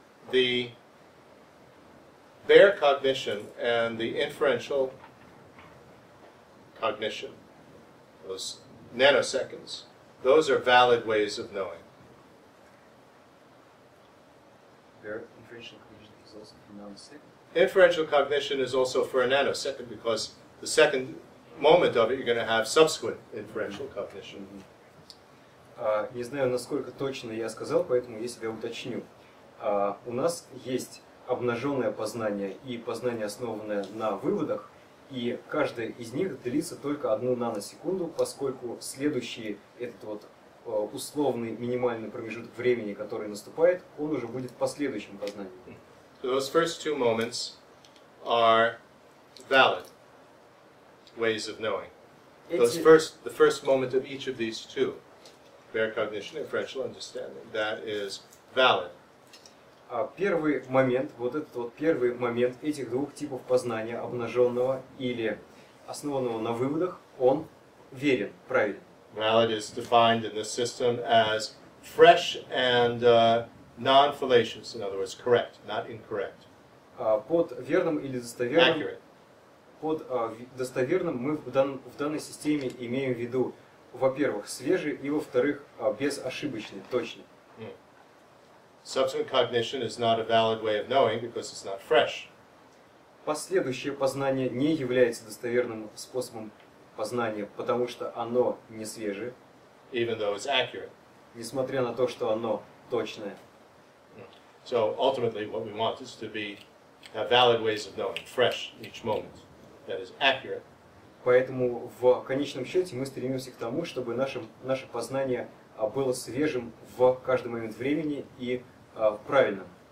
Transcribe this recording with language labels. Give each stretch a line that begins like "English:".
English: The bare cognition and the inferential cognition, those nanoseconds, those are valid ways of knowing. Bare inferential cognition is also for a nanosecond. Inferential cognition is also for a nanosecond because the second moment of it, you're going to have subsequent inferential cognition.
Russian: Не знаю, насколько точно я сказал, поэтому я себя уточню. У нас есть обнаженное познание и познание, основанное на выводах, и каждое из них длится только одну наносекунду, поскольку следующий этот вот условный минимальный промежуток времени, который наступает, он уже будет последующим познанием.
English: So those first two moments are valid ways of knowing. the first moment of each of these two, bare cognition, inferential understanding, that is valid.
Russian: Первый момент, вот этот вот первый момент этих двух типов познания, обнаженного или основанного на выводах, он верен, правильно.
English: Valid is defined in this system as fresh and non-fallacious, in other words, correct, not incorrect.
Russian: Под верным или достоверным...
English: Accurate.
Russian: Под достоверным мы в данной системе имеем в виду, во-первых, свежий и, во-вторых, безошибочный, точный.
English: Subsequent cognition is not a valid way of knowing because it's not fresh.
Russian: Последующее познание не является достоверным способом познания, потому что оно не свежее.
English: Even though it's accurate.
Russian: Несмотря на то, что оно точное.
English: So ultimately, what we want is to be have valid ways of knowing, fresh each moment, that is accurate.
Russian: Поэтому в конечном счете мы стремимся к тому, чтобы наше познание было свежим в каждый момент времени и правильно.